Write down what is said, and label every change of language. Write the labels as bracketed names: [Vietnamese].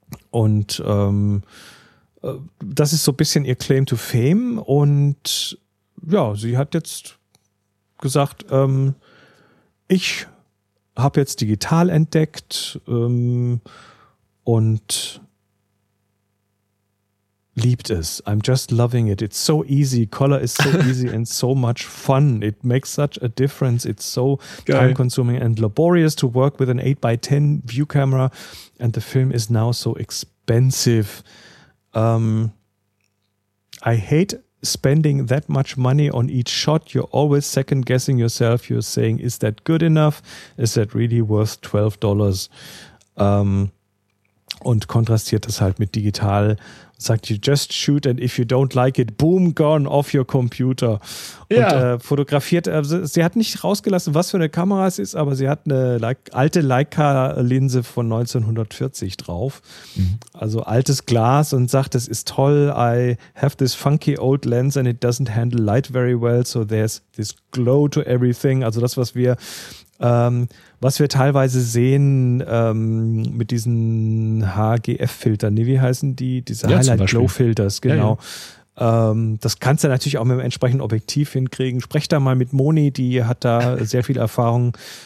[German] Und das ist so ein bisschen ihr [English] Claim to Fame [German] und ja, sie hat jetzt gesagt, ich habe jetzt digital entdeckt und liebt es. [English] I'm just loving it. It's so easy. Color is so easy and so much fun. It makes such a difference. It's so [German] geil. [English] Time-consuming and laborious to work with an 8x10 view camera and the film is now so expensive. I hate spending that much money on each shot. You're always second guessing yourself. You're saying, is that good enough? Is that really worth $12? [German] Und kontrastiert das halt mit digital. Sagt, [English] you just shoot and if you don't like it, boom, gone off your computer. [German] Ja. Und fotografiert, sie hat nicht rausgelassen, was für eine Kamera es ist, aber sie hat eine alte Leica-Linse von 1940 drauf. Mhm. Also altes Glas und sagt, das ist toll. [English] I have this funky old lens and it doesn't handle light very well, so there's this glow to everything. [German] Also das, was wir teilweise sehen mit diesen HGF-Filtern, wie heißen die? Diese Highlight-Glow-Filters, genau. Ja, ja. Das kannst du natürlich auch mit dem entsprechenden Objektiv hinkriegen. Sprech da mal mit Moni, die hat da sehr viel Erfahrung.